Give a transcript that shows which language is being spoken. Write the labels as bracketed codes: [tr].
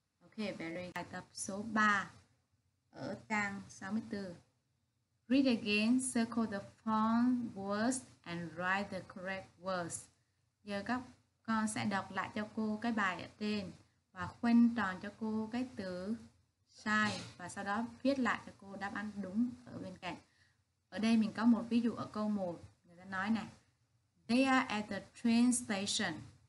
[en] Okay, very good. [vi] Bài tập số 3 ở trang 64. [en] Read again, circle the four words and write the correct words. [vi] Giờ các con sẽ đọc lại cho cô cái bài ở trên và khoanh tròn cho cô cái từ sai và sau đó viết lại cho cô đáp án đúng ở bên cạnh. Ở đây mình có một ví dụ ở câu 1. Người ta nói này, [en] they are at the train station.